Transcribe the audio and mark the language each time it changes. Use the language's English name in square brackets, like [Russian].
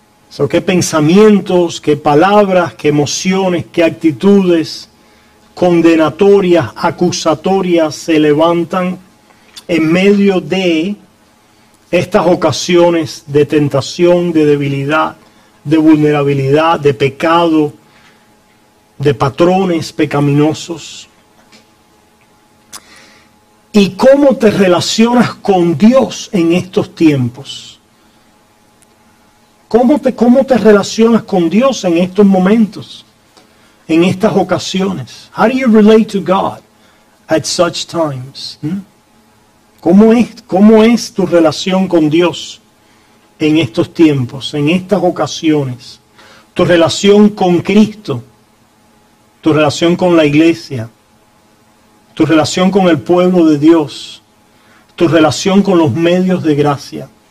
[Spanish] So, ¿qué pensamientos, qué palabras, qué emociones, qué actitudes condenatorias, acusatorias se levantan en medio de estas ocasiones de tentación, de debilidad, de vulnerabilidad, de pecado, de patrones pecaminosos? ¿Y cómo te relacionas con Dios en estos tiempos? ¿Cómo te relacionas con Dios en estos momentos, en estas ocasiones? [English] How do you relate to God at such times? [Spanish] ¿Cómo es tu relación con Dios en estos tiempos, en estas ocasiones? ¿Tu relación con Cristo? ¿Tu relación con la iglesia? ¿Tu relación con el pueblo de Dios? ¿Tu relación con los medios de gracia?